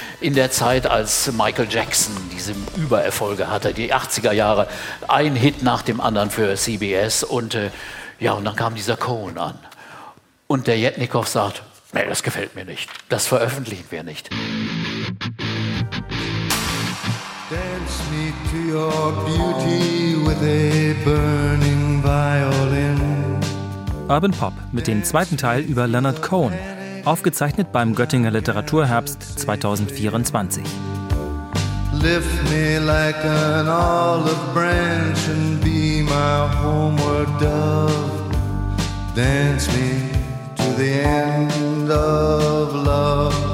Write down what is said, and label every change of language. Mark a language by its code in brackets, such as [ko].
[de] In der Zeit, als Michael Jackson diese Übererfolge hatte, die 80er Jahre, ein Hit nach dem anderen für CBS. Und ja, und dann kam dieser Cohen an. Und der Yetnikoff sagt, nee, das gefällt mir nicht. Das veröffentlichen wir nicht. [en] Dance me to your beauty with a burning violin. [de] Urban Pop mit dem zweiten Teil über Leonard Cohen, aufgezeichnet beim Göttinger Literaturherbst 2024. [en] Lift me like an olive branch and be my homeward dove. Dance me to the end of love.